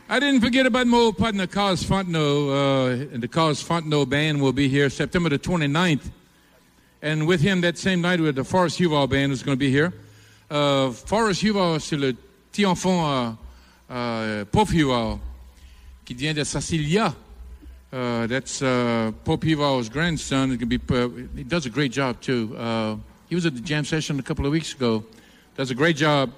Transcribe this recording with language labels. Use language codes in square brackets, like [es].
[en] I didn't forget about my old partner, Carlos Fontenot, and the Carlos Fontenot Band will be here September the 29th. And with him that same night, with the Forest Huval Band is going to be here. [fr] Forest Huval, c'est le petit enfant Pop Huval, qui vient de Sicilia. [en] That's Pop Huval's grandson. It can be, he does a great job, too. He was at the jam session a couple of weeks ago. Does a great job.